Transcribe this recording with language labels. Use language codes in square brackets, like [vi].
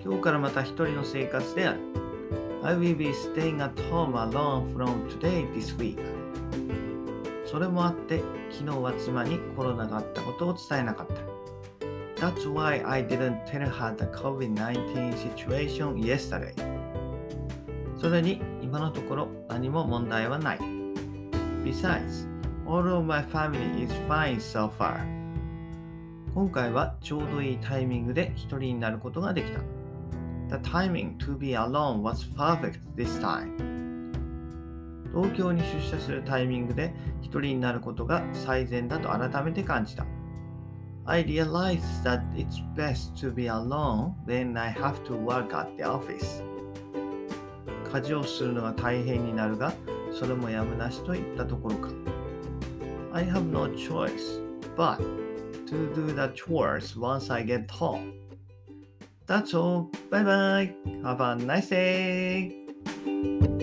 [ja] 今日からまた一人の生活である。 [en] I will be staying at home alone from today this week. [ja] それもあって、昨日は妻にコロナがあったことを伝えなかった。 [en] That's why I didn't tell her the COVID-19 situation yesterday. [ja] それに、今のところ何も問題はない。 [en] Besides, all of my family is fine so far. [ja] 今回はちょうどいいタイミングで一人になることができた。 [en] The timing to be alone was perfect this time. [ja] 東京に出社するタイミングで一人になることが最善だと改めて感じた。 [en] I realized that it's best to be alone when I have to work at the office. [ja] 家事をするのが大変になるが、それもやむなしといったところか。 [en] I have no choice but to do the chores once I get home. That's all. Bye bye. Have a nice day.